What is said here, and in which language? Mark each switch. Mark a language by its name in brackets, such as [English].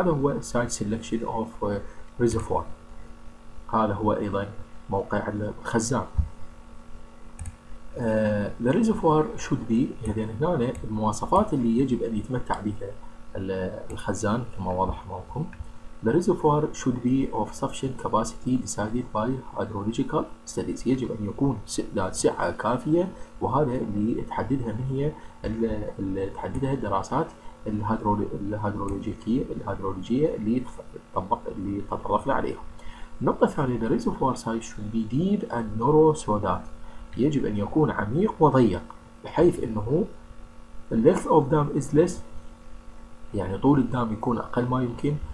[Arabic] هذا هو [English] site selection of reservoir, [Arabic] هذا هو ايضا موقع الخزان. [English] الريزرفوار should be, [Arabic] يعني هنا المواصفات اللي يجب ان يتمتع بها الخزان كما واضح معكم. [English] The reservoir should be of sufficient capacity decided by hydrological studies. [Arabic] يجب أن يكون ذات سعة كافية، وهذا اللي تحددها من هي اللي تحددها الدراسات الهيدرولوجية اللي تطبق اللي تطرقنا عليها. نقطة ثانية، [English] the reservoir size should be deep and narrow so that [Arabic] يجب أن يكون عميق وضيق، بحيث أنه [English] the length of dam is less، [Arabic] يعني طول الدام يكون أقل ما يمكن.